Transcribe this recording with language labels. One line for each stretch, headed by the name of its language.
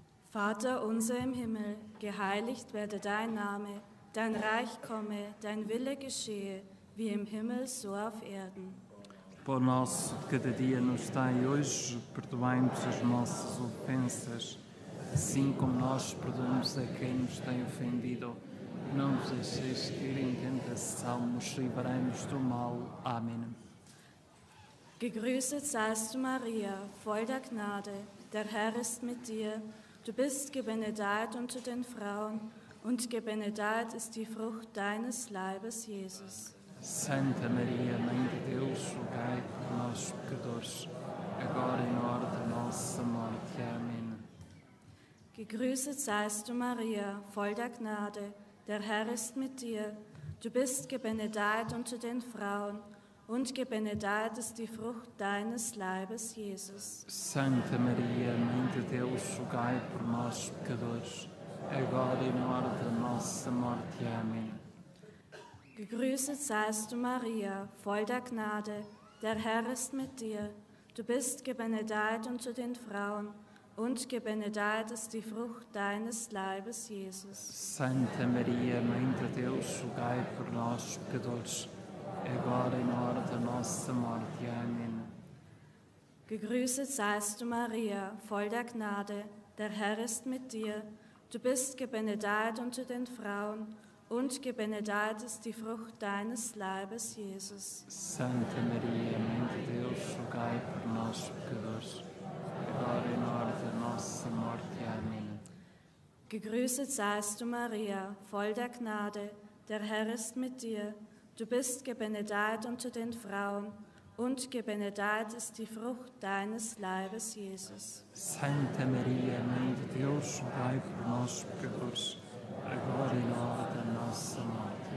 German: Vater unser im Himmel, geheiligt werde dein Name, dein Reich komme, dein Wille geschehe, wie im Himmel, so auf Erden.
Portuguese: Pão nosso de cada dia nos dai hoje, perdoai-nos as nossas ofensas, assim como nós perdoamos a quem nos tem ofendido. Não nos deixeis cair em tentação, mas livrai-nos do mal. Amém.
German: Gegrüßet seist du, Maria, voll der Gnade, der Herr ist mit dir. Du bist gebenedeit unter den Frauen, und gebenedeit ist die Frucht deines Leibes, Jesus.
Portuguese: Santa Maria, Mãe de Deus, rogai por nós, pecadores, agora e na hora da nossa morte. Amém.
German: Gegrüßet seist du, Maria, voll der Gnade, der Herr ist mit dir. Du bist gebenedeit unter den Frauen, und gebenedeit ist die Frucht deines Leibes, Jesus.
Portuguese: Santa Maria, Mãe de Deus, rogai por nós, pecadores, agora e na hora da nossa morte. Amém.
German: Gegrüßet seist du, Maria, voll der Gnade, der Herr ist mit dir. Du bist gebenedeit unter den Frauen, und gebenedeit ist die Frucht deines Leibes, Jesus.
Portuguese: Santa Maria, Mãe de Deus, rogai por nós, pecadores, agora e na hora da nossa morte. Amém.
German: Gegrüßet seist du, Maria, voll der Gnade, der Herr ist mit dir. Du bist gebenedeit unter den Frauen, und gebenedeit ist die Frucht deines Leibes, Jesus.
Portuguese: Santa Maria, Mãe de Deus, rogai por nós, pecadores, agora e na hora da nossa morte. Amém.
German: Gegrüßet seist du, Maria, voll der Gnade, der Herr ist mit dir. Du bist gebenedeit unter den Frauen, und gebenedeit ist die Frucht deines Leibes, Jesus.
Portuguese: Santa Maria, Mãe de Deus, rogai por nós, pecadores, agora e na hora da nossa morte.